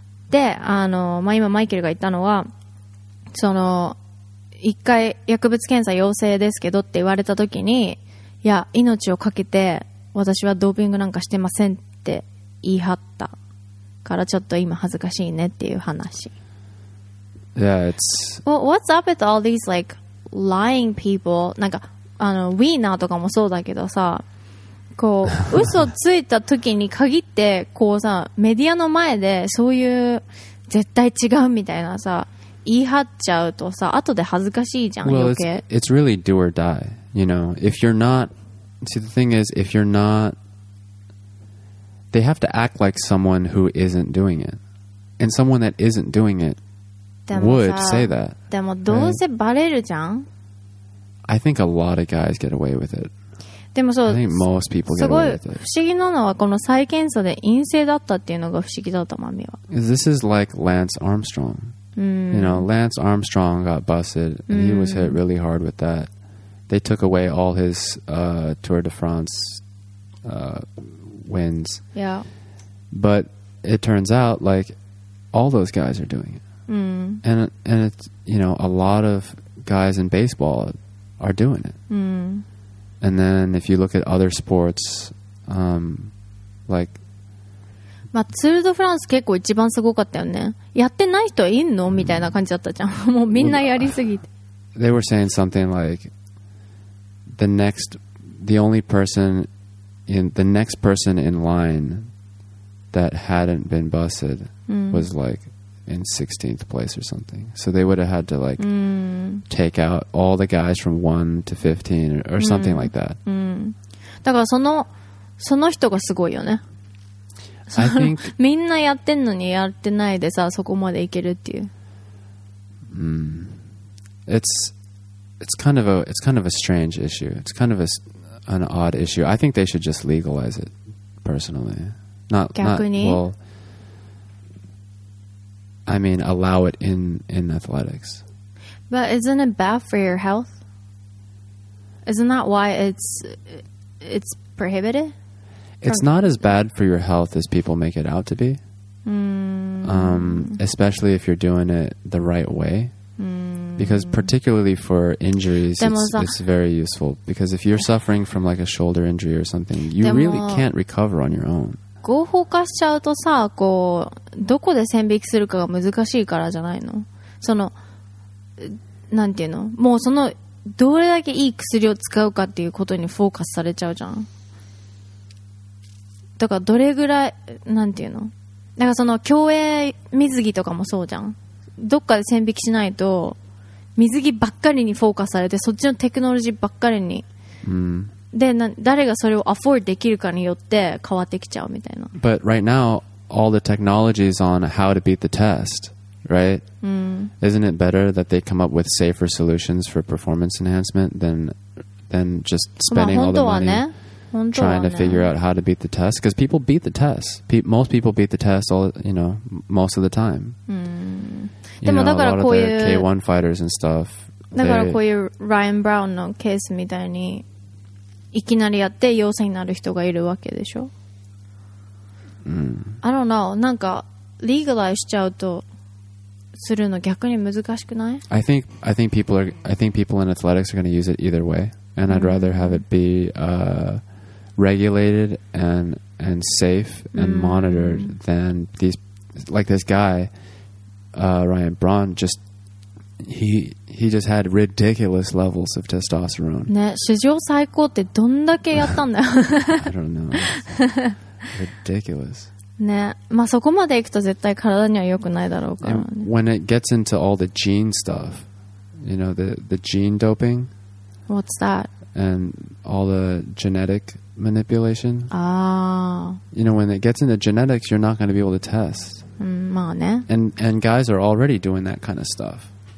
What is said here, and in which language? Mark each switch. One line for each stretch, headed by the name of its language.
Japanese: で、まあ、今マイケルが言ったのは、その、一回薬物検査陽性ですけどって言われた時に、いや、命を懸けて私はドーピングなんかしてませんって言い張ったからちょっと今恥ずかしいねっていう話。
English: Yeah, it's... Well, what's up with all these, like, lying people?
Japanese: なんか、あの、ウィーナーとかもそうだけどさ、こう、嘘ついた時に限って、こうさ、メディアの前でそういう絶対違うみたいなさ、言い張っちゃうとさ、後で恥ずかしいじゃん、
English: well,
Japanese: 余計。
English: It's really do or die, you know? If you're not... See, the thing is, if you're not... They have to act like someone who isn't doing it. And someone that isn't doing itWould say that.
Japanese: でもどうせバレるじゃん。
English: I think a lot of guys get away with it.
Japanese: でもそう。
English: I think most people get away with it.
Japanese: すごい不思議なのはこの再検査で陰性だったっていうのが不思議だったマミは。
English: This is like Lance Armstrong. You know, Lance Armstrong got busted and he was hit really hard with that. They took away all his Tour de France wins. Yeah. But it turns out like all those guys are doing it. And it's, you know, a lot of guys in baseball are doing it. And then if you look at other sports, like...
Japanese: まあ、ツールドフランス結構一番すごかったよね。やってない人いんの？みたいな感じだったじゃん。もうみんなやりすぎて。
English: They were saying something like, the next person in line that hadn't been busted was like... in 16th place or something. So they would have had to like take out all the guys from 1 to 15 or something like that.
Japanese: だからその人がすごいよね。
English: I think
Japanese: みんなやってんのにやってないでさ、そこまでいけるっていう。
English: It's kind of a strange issue. It's kind of an odd issue. I think they should just legalize it personally. Not
Japanese: 逆に?
English: Not, well,I mean, allow it in athletics. But isn't it bad for your health? Isn't that why it's prohibited? It's not as bad for your health as people make it out to be. Especially if you're doing it the right way. Because particularly for injuries, it's very useful. Because if you're suffering from like a shoulder injury or something, you really can't recover on your own.
Japanese: 合法化しちゃうとさ、こうどこで線引きするかが難しいからじゃないの？そのなんていうの、もうそのどれだけいい薬を使うかっていうことにフォーカスされちゃうじゃん。だからどれぐらいなんていうの、だからその競泳水着とかもそうじゃん。どっかで線引きしないと水着ばっかりにフォーカスされて、そっちのテクノロジーばっかりに。で、誰がそれをアフォードできるかによって変わってきちゃうみたいな。
English: But right now, all the technology is on how to beat the test, right? Isn't it better that they come up with safer solutions for performance enhancement than just spending、
Japanese: まあ、
English: all the money、
Japanese: ね、
English: trying、
Japanese: ね、
English: to figure out how to beat the test? Because people beat the test. Most people beat the test all, you know, most of the time.
Japanese: でもだからこういう、
English: you know, a lot of their K-1 fighters and stuff.
Japanese: だからこういう Ryan Brown のケースみたいにいきなりやって陽性になる人がいるわけでしょ。
English: I don't know.
Japanese: なんか legalize しちゃうとするの逆に難しくない？
English: I think people in athletics are going to use it either way, and I'd rather have it be regulated and safe and monitored than these like this guy Ryan Braun just. He just had ridiculous levels of testosterone.
Japanese: ね、史上最高ってどんだけやったんだよ。
English: I don't know. Ridiculous.
Japanese: ね、まあそこまでいくと絶対体には良くないだろうから、ね。
English: When it gets into all the gene stuff, you know, the gene doping. What's that? And all the genetic manipulation. Ah. You know, when it gets into genetics, you're not going to be able to test.
Japanese: まあね。
English: And guys are already doing that kind of stuff.